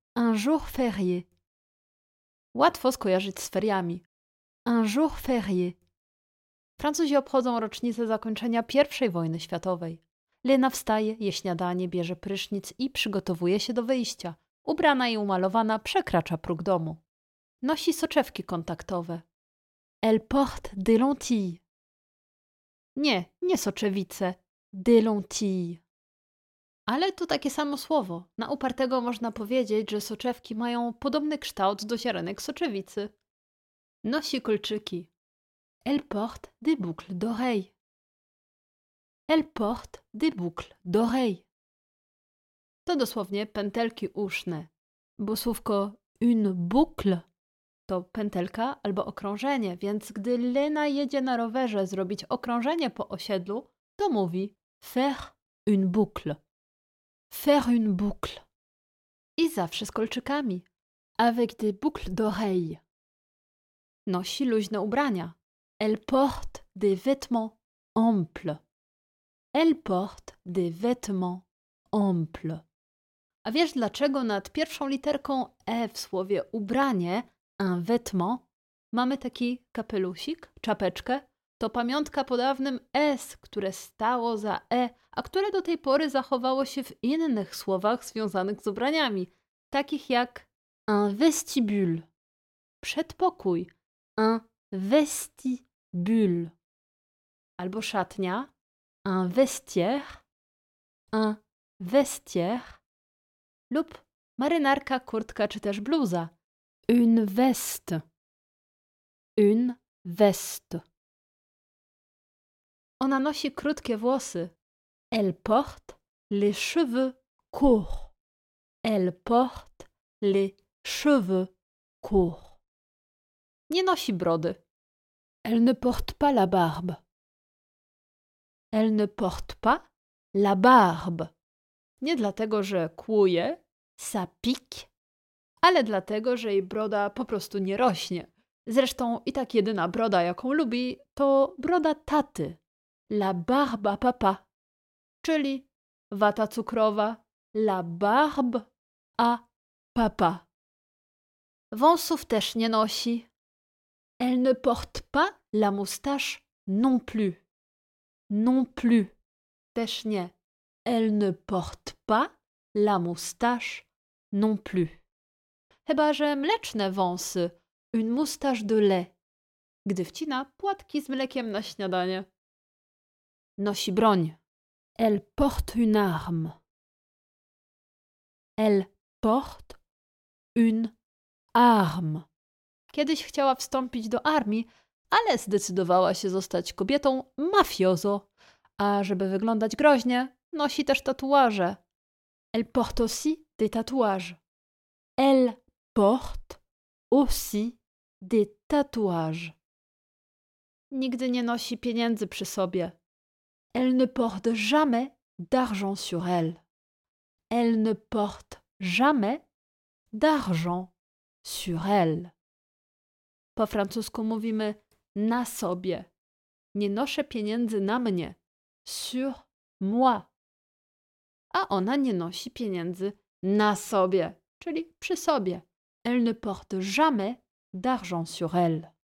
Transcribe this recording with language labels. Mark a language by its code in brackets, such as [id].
[fr] Un jour férié. [pl] Łatwo skojarzyć z feriami. [fr] Un jour férié. [pl] Francuzi obchodzą rocznicę zakończenia I wojny światowej. Lena wstaje, je śniadanie, bierze prysznic i przygotowuje się do wyjścia. Ubrana i umalowana przekracza próg domu. Nosi soczewki kontaktowe. [fr] Elle porte des lentilles. [pl] Nie, nie soczewice. [fr] Des lentilles. [pl] Ale to takie samo słowo. Na upartego można powiedzieć, że soczewki mają podobny kształt do ziarenek soczewicy. Nosi kulczyki. [fr] Elle porte des boucles d'oreilles. Elle porte des boucles d'oreilles. [pl] To dosłownie pętelki uszne, bo słówko [fr] une boucle [pl] to pętelka albo okrążenie, więc gdy Lena jedzie na rowerze zrobić okrążenie po osiedlu, to mówi [fr] faire une boucle. Faire une boucle. [pl] I zawsze z kolczykami. [fr] Avec des boucles d'oreilles. [pl] Nosi luźne ubrania. [fr] Elle porte des vêtements amples. Elle porte des vêtements amples. [pl] A wiesz dlaczego nad pierwszą literką E w słowie ubranie, [fr] un vêtement, [pl] mamy taki kapelusik, czapeczkę? To pamiątka po dawnym S, które stało za E, a które do tej pory zachowało się w innych słowach związanych z ubraniami, takich jak [fr] un vestibule, [pl] przedpokój, [fr] un vestibule, [pl] albo szatnia, [fr] un vestiaire, un vestiaire, [pl] lub marynarka, kurtka czy też bluza. [fr] Une veste. Une veste. [pl] Ona nosi krótkie włosy. [fr] Elle porte les cheveux courts. Elle porte les cheveux courts. [pl] Nie nosi brody. [fr] Elle ne porte pas la barbe. Elle ne porte pas la barbe. [pl] Nie dlatego, że kłuje. [fr] Ça pique. [pl] Ale dlatego, że jej broda po prostu nie rośnie. Zresztą i tak jedyna broda, jaką lubi, to broda taty. [fr] La barbe à papa. [pl] Czyli wata cukrowa. [fr] La barbe à papa. [pl] Wąsów też nie nosi. [fr] Elle ne porte pas la moustache non plus. Non plus. [pl] Też nie. [fr] Elle ne porte pas la moustache non plus. [pl] Chyba, że mleczne wąsy. [fr] Une moustache de lait. [pl] Gdy wcina płatki z mlekiem na śniadanie. Nosi broń. [fr] Elle porte une arme. Elle porte une arme. [pl] Kiedyś chciała wstąpić do armii, ale zdecydowała się zostać kobietą mafiozo. A żeby wyglądać groźnie, nosi też tatuaże. [fr] Elle porte aussi des tatouages. Elle porte aussi des tatouages. [pl] Nigdy nie nosi pieniędzy przy sobie. [fr] Elle ne porte jamais d'argent sur elle. Elle ne porte jamais d'argent sur elle. [pl] Po francusku mówimy na sobie. Nie noszę pieniędzy na mnie. [fr] Sur moi. [pl] A ona nie nosi pieniędzy na sobie, czyli przy sobie. [fr] Elle ne porte jamais d'argent sur elle.